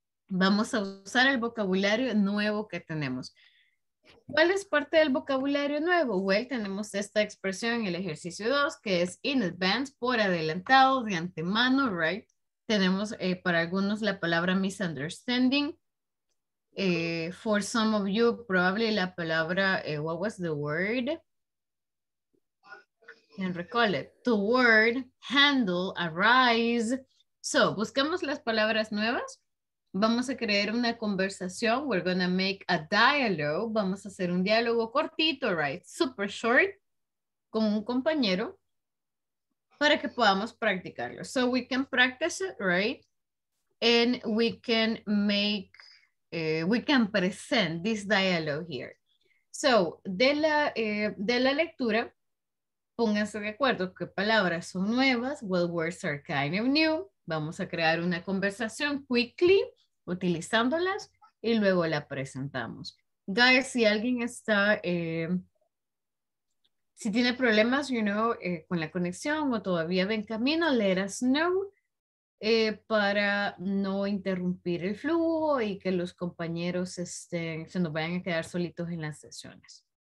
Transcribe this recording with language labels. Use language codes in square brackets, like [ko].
[es] vamos a usar el vocabulario nuevo que tenemos. ¿Cuál es parte del vocabulario nuevo? Well, tenemos esta expresión en el ejercicio 2, que es in advance, por adelantado, de antemano, right? Tenemos para algunos la palabra misunderstanding. [en] For some of you, probably [es] la palabra, [en] what was the word? And recall it. The word, handle, arise. [es] So, busquemos las palabras nuevas. Vamos a crear una conversación. [en] We're going to make a dialogue. [es] Vamos a hacer un diálogo cortito, [en] right? Super short, [es] con un compañero, para que podamos practicarlo. [en] So we can practice it, right? And we can make, we can present this dialogue here. [es] So, de la lectura, pónganse de acuerdo qué palabras son nuevas. [en] Well, words are kind of new. [es] Vamos a crear una conversación quickly, utilizándolas, y luego la presentamos. Guys, si alguien está, si tiene problemas, [en] you know, [es] con la conexión o todavía va en camino, [en] let us know, [es] para no interrumpir el flujo y que los compañeros se nos vayan a quedar solitos en las sesiones.